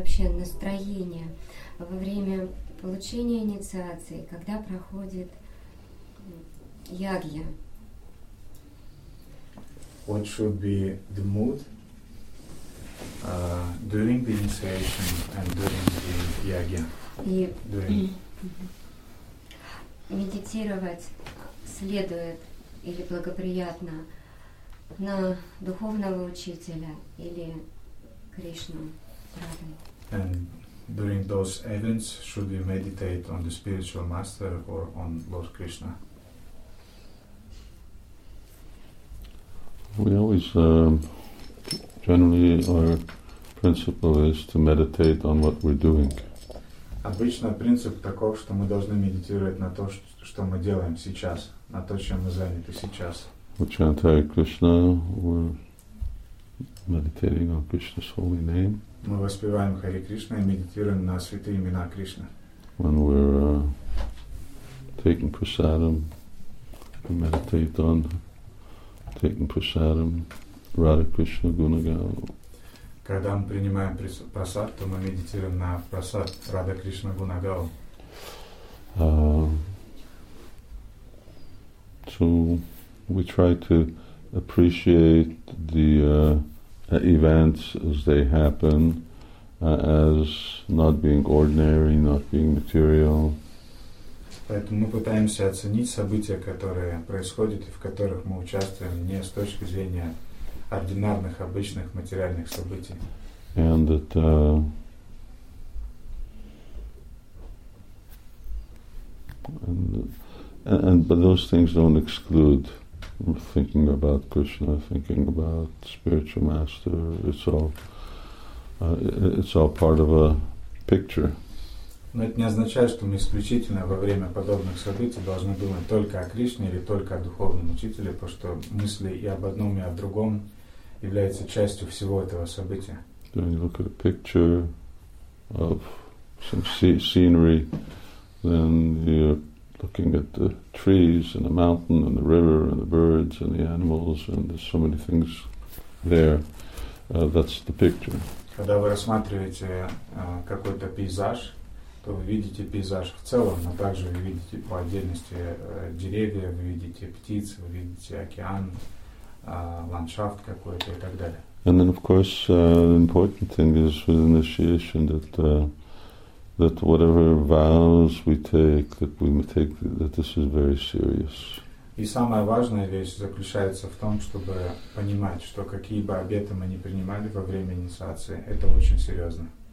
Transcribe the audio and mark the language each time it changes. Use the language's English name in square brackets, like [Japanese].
[Russian] Настроение во время получения инициации, когда проходит ягья. [English] What should be the mood during the initiation and during the yagya? [Russian] И медитировать следует или благоприятно на духовного учителя или Кришну Радхи. [English] And during those events, should we meditate on the spiritual master or on Lord Krishna? We always, generally, our principle is to meditate on what we're doing. [Russian] Обычно принцип таков, что мы должны медитировать на то, что мы делаем сейчас, на то, чем мы заняты сейчас. [English] We're chanting Krishna, we're meditating on Krishna's holy name. [Russian] Мы воспеваем Хари Кришна и медитируем на святые имена Кришны. [English] When we're taking prasadam, we meditate on taking prasadam, Radha Krishna Gunagan. [Russian] Когда мы принимаем прасад, то мы медитируем на прасад Радха Кришна Гунагау. [English] So we try to appreciate the events as they happen. As not being ordinary, not being material. [Russian] Поэтому мы пытаемся оценить события, которые происходят и в которых мы участвуем, не с точки зрения ординарных, обычных, материальных событий. [English] And that and but those things don't exclude thinking about Krishna, thinking about spiritual master. It's all part of a picture. [Russian] Но это не означает, что мы исключительно во время подобных событий должны думать только о Кришне или только о духовном учителе, потому что мысли и об одном, и о другом являются частью всего этого события. [English] When you look at a picture of some scenery, then you're looking at the trees and the mountain and the river and the birds and the animals and there's so many things there. That's the picture. [Russian] Когда вы рассматриваете какой-то пейзаж, то вы видите пейзаж в целом, но также вы видите по отдельности деревья, вы видите птиц, вы видите океан, ландшафт какой-то и так далее. [English] And then, of course, the important thing is with initiation that that whatever vows we take, that we take, that this is very serious. [Russian] И самая важная вещь заключается в том, чтобы понимать, что какие бы обеты мы ни принимали во время инициации, это очень серьезно.